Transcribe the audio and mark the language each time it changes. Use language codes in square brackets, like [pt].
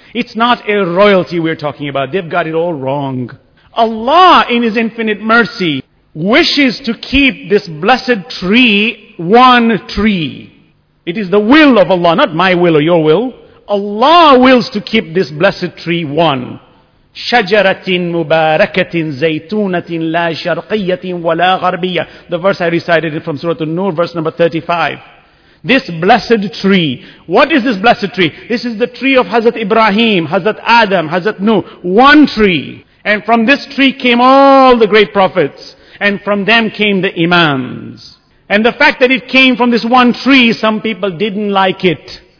[en] It's not a royalty we're talking about. They've got it all wrong. Allah, in His infinite mercy, wishes to keep this blessed tree one tree. It is the will of Allah, not my will or your will. Allah wills to keep this blessed tree one. [ar] شجرة مباركة زيتونة لا شرقية ولا غربية. [en] The verse I recited from Surah An-Nur, verse number 35. This blessed tree. What is this blessed tree? This is the tree of Hazrat Ibrahim, Hazrat Adam, Hazrat Nuh. One tree. And from this tree came all the great prophets. And from them came the imams. And the fact that it came from this one tree, some people didn't like it.